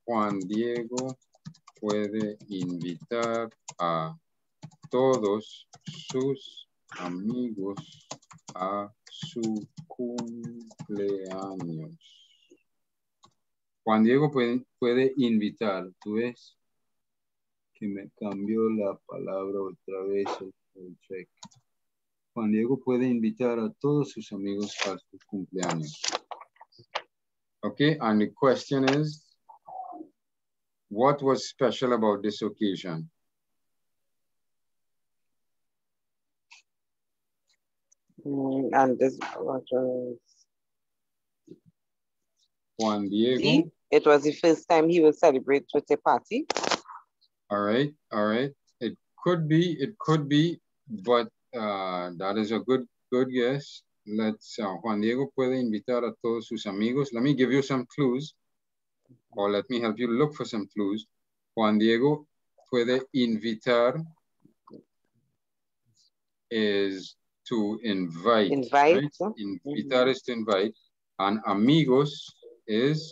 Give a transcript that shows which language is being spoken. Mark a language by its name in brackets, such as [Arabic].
[Spanish] Juan Diego puede invitar a todos sus amigos a su cumpleaños. Juan Diego puede invitar, ¿tú ves? Que me cambió la palabra otra vez el check. Juan Diego puede invitar a todos sus amigos a su cumpleaños. [English] Okay, and the question is, what was special about this occasion? And this was Juan Diego. It was the first time he would celebrate with a party. All right. It could be, but that is a good guess. Let's [Spanish] Juan Diego puede invitar a todos sus amigos. [English] Let me give you some clues, or let me help you look for some clues. Juan Diego [Spanish] puede invitar [English] is to invite. Invite. Right? Invitar mm-hmm. is to invite. And amigos is?